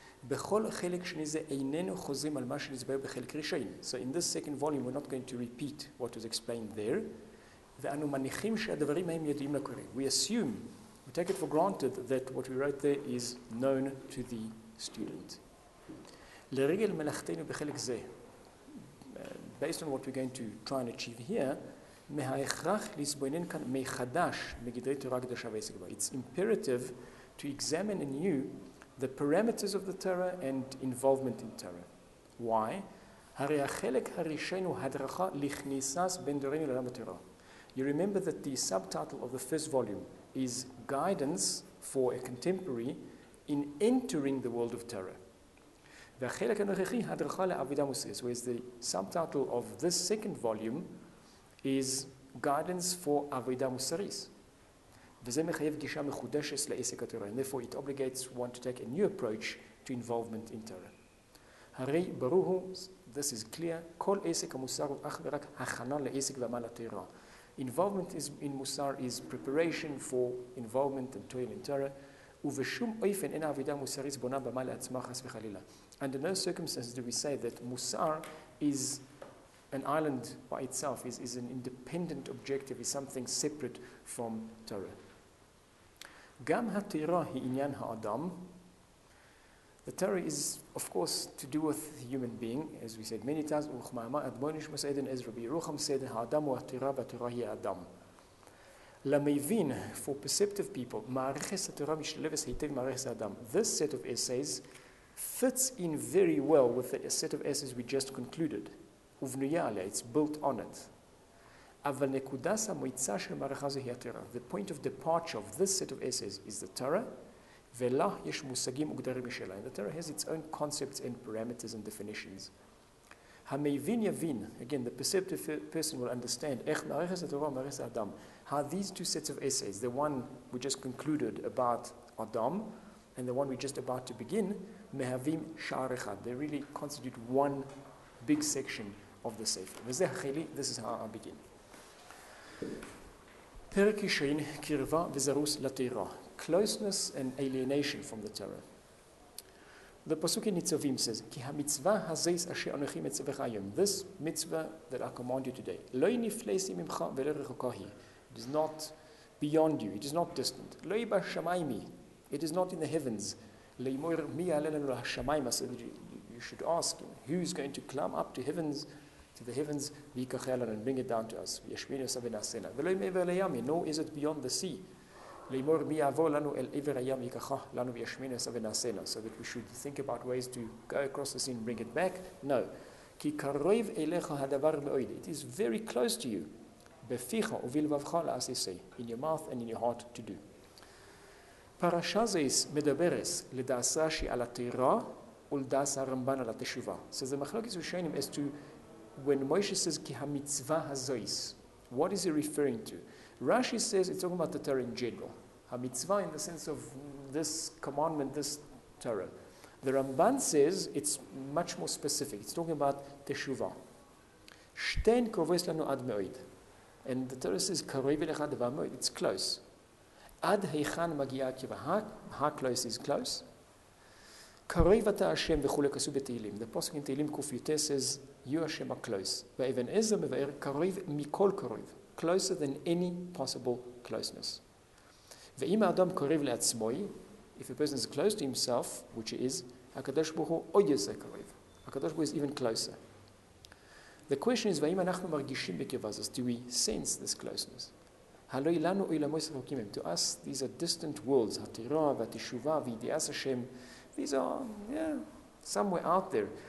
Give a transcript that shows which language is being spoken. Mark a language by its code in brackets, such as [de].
[he] בכל חלק שני זה איננו חוזרים על מה שנסבר בחלק ראשון. [en] So in this second volume, we're not going to repeat what was explained there. [he] ואנו מניחים שהדברים הם ידועים לקוראים. [en] We assume, we take it for granted that what we wrote there is known to the student. [he] לרגל מלאכתנו בחלק זה, [en] based on what we're going to try and achieve here, [he] מההכרח לסבוינן כאן מחדש מגדרי תורה קדושה ועסק בה. [en] It's imperative to examine anew the parameters of the Torah and involvement in Torah. Why? [he] הרי החלק הראשון הוא הדרכה לכניסת בין דורנו לעולם התורה. [en] You remember that the subtitle of the first volume is guidance for a contemporary in entering the world of Torah. [he] והחלק הנוכחי הדרכה לעבודה מוסרית. [en] Whereas the subtitle of this second volume is guidance for עבודה מוסרית. [he] וזה מחייב גישה מחודשת לעסק התורה. [en] And therefore it obligates one to take a new approach to involvement in Torah. [he] הרי ברור הוא, [en] this is clear, [he] כל עסק המוסר הוא אך ורק הכנה לעסק ועמל התורה. [en] Involvement in מוסר is preparation for involvement and toil in Torah. [he] ובשום אופן אין העבידה המוסרית בונה במה לעצמה חס וחלילה. [en] Under no circumstances do we say that מוסר is an island by itself, is an independent objective, is something separate from Torah. [he] גם התורה היא עניין האדם. [en] The Torah is, of course, to do with the human being, as we said many times, [he] וכמאמר אדמוני שמוס עדן, [en] as Rabbi Yerucham said, [he] האדם הוא התורה והתורה היא האדם. למבין, [en] for perceptive people, [he] מערכת התורה משתלבת היטב מערכת האדם. [en] This set of essays fits in very well with the set of essays we just concluded. [he] ובנויה עליה, [en] it's built on it. [he] אבל נקודת המוצא של המערכה זו היא התורה. [en] The point of departure of this set of essays is the Torah, [he] ולה יש מושגים וגדרים משלה. [en] And the Torah has its own concepts and parameters and definitions. [he] המבין יבין, [en] again, the perceptive person will understand, [he] איך מערכת התורה ומערכת האדם, [en] how these two sets of essays, the one we just concluded about Adam, and the one we're just about to begin, [he] מהווים שער אחד. [en] They really constitute one big section of the Sefer. [he] וזה החילי, [en] this is how I begin. [he] פרק ראשון, קרבה וזרוס לתורה. [en] Closeness and alienation from the Torah. The Pasuk in Nitzavim says, [he] כי המצווה הזאת אשר אנוכי מצווך היום, [en] this mitzvah that I command you today, [he] לא נפלסי ממך ולא רחוקה היא. [en] It is not beyond you, it is not distant. [he] לא יהיה בשמיים מי, [en] it is not in the heavens. [he] לאמור מי יעלה לנו לשמיים, [en] so you should ask, who is going to climb up to heavens, to the heavens, [he] ויקחה לנו, [en] and bring it down to us. [he] וישמין יוסף ונעשינה. ולא יהיה מעבר לימי, [en] no is it beyond the sea. [he] לאמור מי יעבור לנו אל עבר הים, ויקחה לנו וישמין יוסף ונעשינה. [en] So that we should think about ways to go across the sea and bring it back. No. [he] כי קרוב אליך הדבר מאוד. [en] It is very close to you. [he] בפיך ובלבבך לעשיסי, [en] in your mouth and in your heart to do. [he] פרשה זאת מדברת לדעשה שהיא על התורה ולדעשה הרמב"ן על התשובה. [en] So the מחלוקת ראשונים as to when Moshe says [he] כי המצווה הזאת, [en] what is he referring to? Rashi says it's talking about the Torah in general. המצווה in the sense of this commandment, this Torah. The Ramban says it's much more specific. It's talking about תשובה. [he] שתיהן קרובות לנו עד מאוד. [en] And the Torah says, [he] קרוב אליך דבר מאוד, [en] it's close. [he] עד היכן מגיעה הקרבה, [en] how close is close? [he] קרוב אתה השם וכולי כסוף בתהילים. [en] The פסוק in תהילים קי"ט says, you [he] השם הקלוס. ואבן עזר מבאר, קרוב מכל קרוב, [en] closer than any possible closeness. [he] ואם האדם קרוב לעצמו, [en] if a person is close to himself, which he is, [he] הקדוש ברוך הוא עוד יותר קרוב. [en] הקדוש ברוך הוא is even closer. The question is, [he] ואם אנחנו מרגישים בקרבה הזאת, [en] do we sense this closeness? [he] הלוי לנו עולמות רחוקים הם. [en] To us, these are distant worlds, [he] התורה והתשובה וידיעת השם. [en] These are, yeah, somewhere out there.